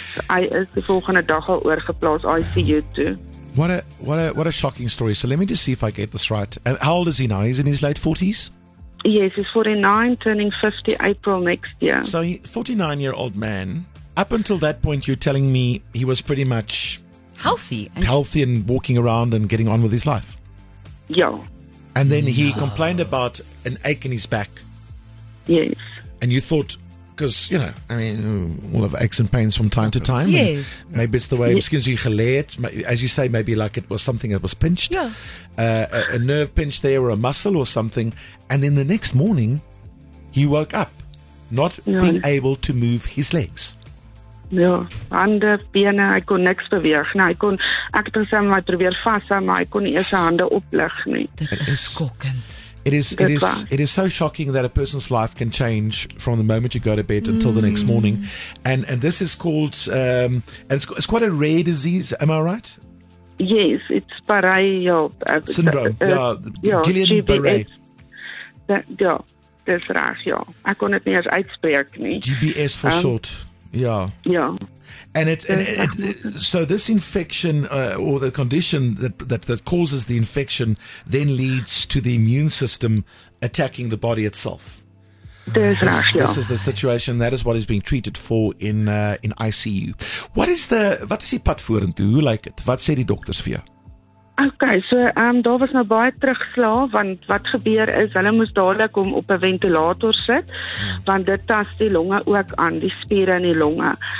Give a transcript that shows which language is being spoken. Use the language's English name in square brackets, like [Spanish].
[Afrikaans] Hy is die volgende dag al oorgeplaas ICU toe. [English] What a shocking story. So let me just see if I get this right. How old is he now? He's in his late 40s? Yes, he's 49, turning 50 April next year. So 49-year-old man. Up until that point, you're telling me he was pretty much healthy and walking around and getting on with his life. Yeah. And then he complained about an ache in his back. Yes. And you thought, because, you know, I mean, we'll have aches and pains from time to time. Yes. Maybe it's the way, as you say, maybe like it was something that was pinched. Yeah. A nerve pinch there or a muscle or something. And then the next morning, he woke up not being able to move his legs. [Afrikaans] Ja, hande, bene, hy kon niks beweeg nie. Hy kon, ek het gesê my probeer vashou, maar hy kon nie eers sy hande oplig nie. Dit is skokkend. [English] It is so shocking that a person's life can change from the moment you go to bed until the next morning. And this is called it's quite a rare disease, am I right? Yes, it's Barré syndrome. Guillain-Barré. [Afrikaans] Ja, dis reg, ja. Ek kon dit nie eens uitspreek nie. [English] GBS for short. Yeah. Yeah. And so this infection or the condition that causes the infection then leads to the immune system attacking the body itself. This is the situation. That is what is being treated for in ICU. [Afrikaans] Wat is die pad vorentoe? Hoe lyk dit? Wat sê die dokters vir jou? Okay, so daar was nou baie terugslag, want wat gebeur is, hulle moes dadelik hom op 'n ventilator sit, want dit tas die longe ook aan, die spiere in die longe.